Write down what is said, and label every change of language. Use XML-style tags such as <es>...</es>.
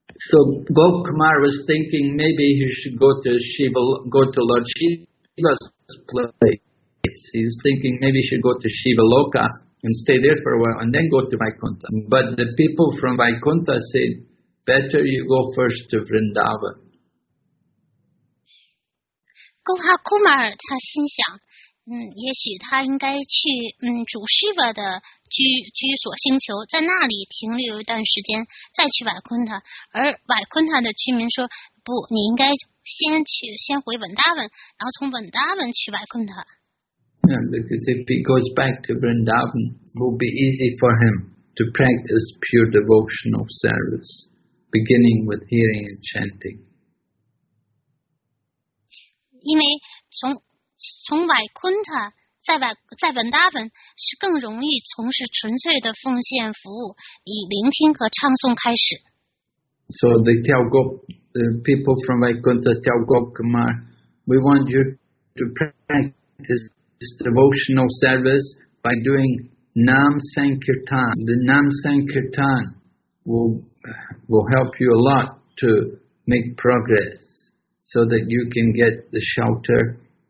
<en>So Gokumar was thinking maybe he should go to Shiva, go to Lord Shiva's place. He was thinking maybe he should go to Shiva Loka and stay there for a while and then go to Vaikuntha. But the people from Vaikuntha said, better you go first to Vrindavan.</en> <zh>Gokumar 他心想。也许他应该去主 Shiva 的居所星球，在那里停留一段时间，再去瓦昆塔。而瓦昆塔的居民说：“不，你应该先回文达文，然后从文达文去瓦昆塔。”</zh> <en>Yeah, because if he goes back to Vrindavan, it will be easy for him to practice pure devotional service, beginning with hearing and chanting.</en> <zh>因为从瓦昆塔在文达文是更容易从事纯粹的奉献服务，以聆听和唱诵开始。</zh> <en>So they tell the people from Vaikuntha tell Gokumar, we want you to practice devotional service by doing Nam Sankirtan. The Nam Sankirtan will help you a lot to make progress so that you can get the shelter.</en>